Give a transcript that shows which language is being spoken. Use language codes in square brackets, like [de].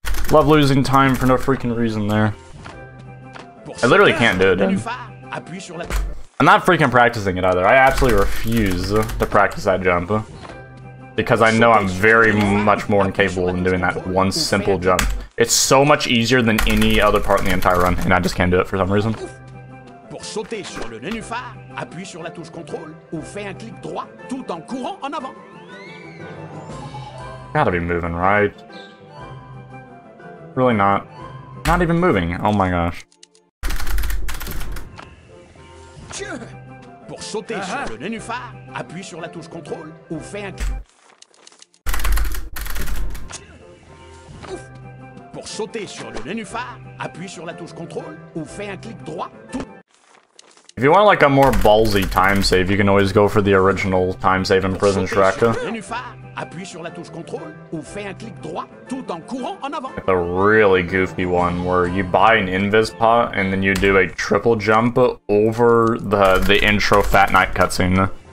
[en] Love losing time for no freaking reason there. I literally can't do it, dude. I'm not freaking practicing it either. I absolutely refuse to practice that jump. Because I know I'm very much more incapable than doing that one simple jump. It's so much easier than any other part in the entire run, and I just can't do it for some reason. [fr] Pour sauter sur le nénuphar, appuie sur la touche contrôle ou fais un clic droit tout en courant en avant. [en] Gotta be moving, right? Really not. Not even moving. Oh my gosh. [fr] Dieu. Pour sauter sur le nénuphar, appuie sur la touche contrôle ou fais un clic. Pour sauter sur le nénuphar, appuie sur la touche contrôle ou fais un clic droit tout. [en] If you want like a more ballsy time save, you can always go for the original time save in Prison Shrek. Like a really goofy one where you buy an invis pot and then you do a triple jump over the intro Fat Night cutscene.